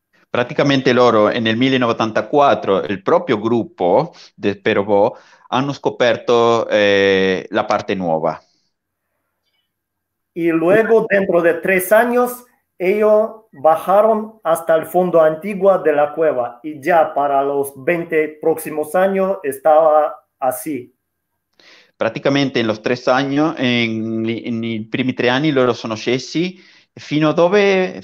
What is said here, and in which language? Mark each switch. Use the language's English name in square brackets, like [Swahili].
[Italian] Praticamente loro nel 1984, il proprio gruppo del Perovo, hanno scoperto la parte nuova. [Spanish] Y luego, dentro de 3 años, ellos bajaron hasta el fondo antiguo de la cueva y ya para los 20 próximos años estaba así. [Italian] Praticamente [Spanish] en los 3 años, [Italian] nei primi 3 anni, loro sono scesi fino a dove?